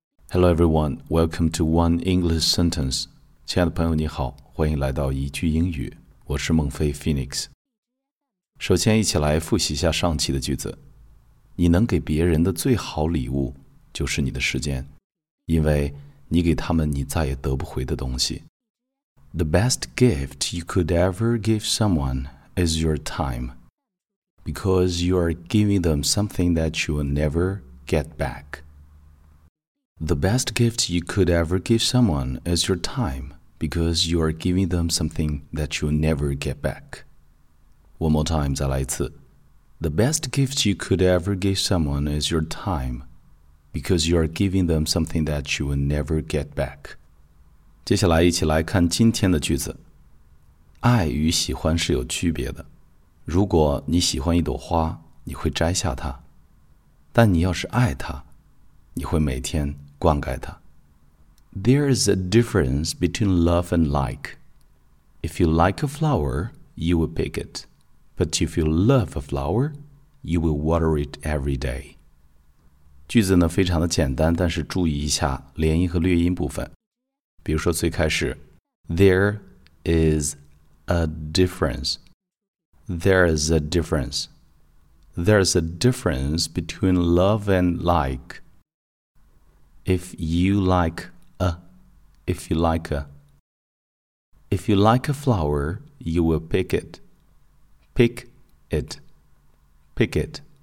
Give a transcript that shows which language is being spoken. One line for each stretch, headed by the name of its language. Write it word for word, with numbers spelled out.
English: Hello everyone, welcome to One English Sentence.
Chinese: 亲爱的朋友你好，欢迎来到一句英语，我是孟非 Phoenix。首先一起来复习一下上期的句子。你能给别人的最好礼物就是你的时间，因为你给他们你再也得不回的东西。
English: The best gift you could ever give someone is your time, because you are giving them something that you will never get back. The best gift you could ever give someone is your time, because you are giving them something that you'll never get back. One more time,
Chinese: 再来一次。
English: The best gift you could ever give someone is your time, because you are giving them something that you will never get back.
Chinese: 接下来一起来看今天的句子。爱与喜欢是有区别的。如果你喜欢一朵花，你会摘下它。但你要是爱它，你会每天灌溉它。
English: There is a difference between love and like. If you like a flower, you will pick it. But if you love a flower, you will water it every day.
Chinese: 句子呢非常的简单，但是注意一下连音和略音部分。比如说最开始
English: There is a difference. There is a difference. There is a difference between love and like. If you like a, if you like a, if you like a flower, you will pick it, pick it, pick it.